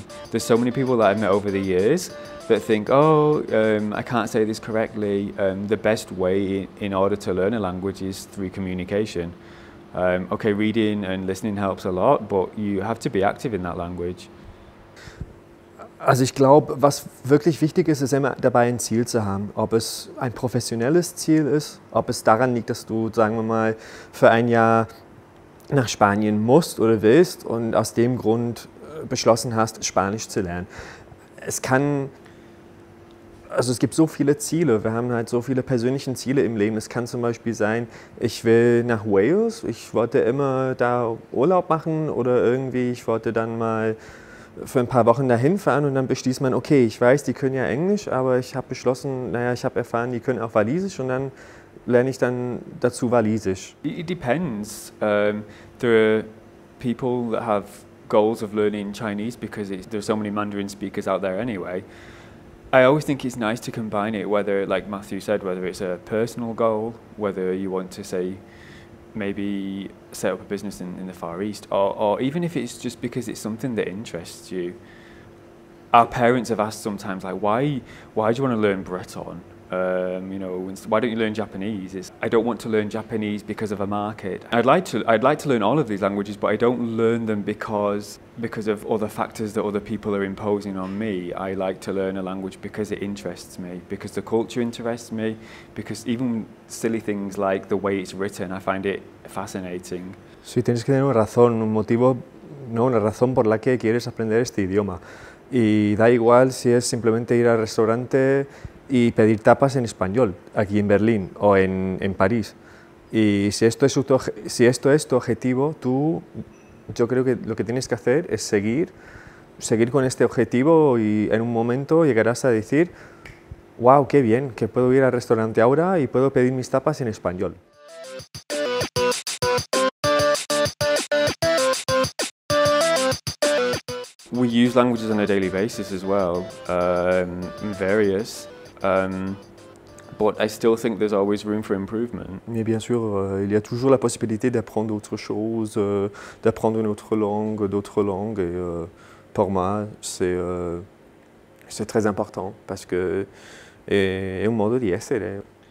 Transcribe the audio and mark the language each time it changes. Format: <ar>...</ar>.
<en>There's so many people that I've met over the years that think, I can't say this correctly. The best way in order to learn a language is through communication. Okay, reading and listening helps a lot, but you have to be active in that language.</en> <de>Also ich glaube, was wirklich wichtig ist, ist immer dabei ein Ziel zu haben. Ob es ein professionelles Ziel ist, ob es daran liegt, dass du, sagen wir mal, für ein Jahr nach Spanien musst oder willst und aus dem Grund beschlossen hast, Spanisch zu lernen. Also es gibt so viele Ziele, wir haben halt so viele persönliche Ziele im Leben. Es kann zum Beispiel sein, ich will nach Wales, ich wollte immer da Urlaub machen oder irgendwie, ich wollte dann mal für ein paar Wochen dahin fahren und dann beschließt man, okay, ich weiß, die können ja Englisch, aber ich habe beschlossen, naja, ich habe erfahren, die können auch Walisisch und dann lerne ich dann dazu Walisisch.</de> <en>It depends. There are people that have goals of learning Chinese because there are so many Mandarin speakers out there anyway. I always think it's nice to combine it, whether, like Matthew said, whether it's a personal goal, whether you want to say maybe set up a business in the Far East, or even if it's just because it's something that interests you. Our parents have asked sometimes, like, why do you want to learn Breton? You know, why don't you learn Japanese? I don't want to learn Japanese because of a market. I'd like to learn all of these languages, but I don't learn them because of other factors that other people are imposing on me. I like to learn a language because it interests me, because the culture interests me, because even silly things like the way it's written, I find it fascinating.</en> <es>Sí, tienes que tener una razón, un motivo, no, una razón por la que quieres aprender este idioma. Y da igual si es simplemente ir al restaurante y pedir tapas en español aquí en Berlín o en París. Y si esto es tu objetivo, tú, yo creo que lo que tienes que hacer es seguir con este objetivo y en un momento llegarás a decir, wow, qué bien, que puedo ir al restaurante ahora y puedo pedir mis tapas en español.</es> <en>We use languages on a daily basis as well, various. But I still think there's always room for improvement.</en> <fr>Mais bien sûr, il y a toujours la possibilité d'apprendre autre chose, d'apprendre une autre langue, d'autres langues. Et pour moi, c'est très important parce que c'est un</fr> <it>modo d'y essere.</it>